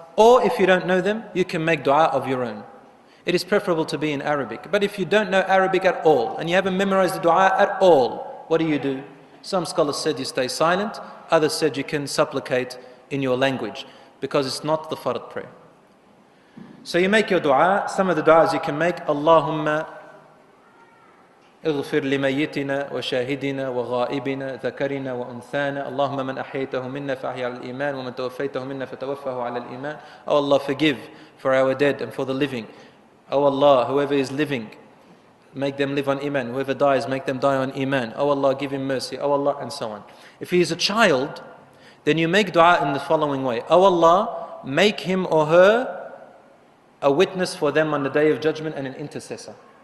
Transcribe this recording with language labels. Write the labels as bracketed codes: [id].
[en] Or if you don't know them, you can make du'a of your own. It is preferable to be in Arabic. But if you don't know Arabic at all, and you haven't memorized the du'a at all, what do? Some scholars said you stay silent. Others said you can supplicate in your language, because it's not the fard prayer. So you make your du'a. Some of the du'as you can make, [ar] Allahumma اغفر لميتنا وشاهدنا وغائبنا ذكرنا وأنثانا اللهم من أحيته منا فأحيا على الإيمان ومن توفيته منا فتوفه على الإيمان. [en] Oh Allah, forgive for our dead and for the living. Oh Allah, whoever is living, make them live on iman. Whoever dies, make them die on iman. Oh Allah, give him mercy. Oh Allah, and so on. If he is a child, then you make dua in the following way. Oh Allah, make him or her a witness for them on the day of judgment and an intercessor.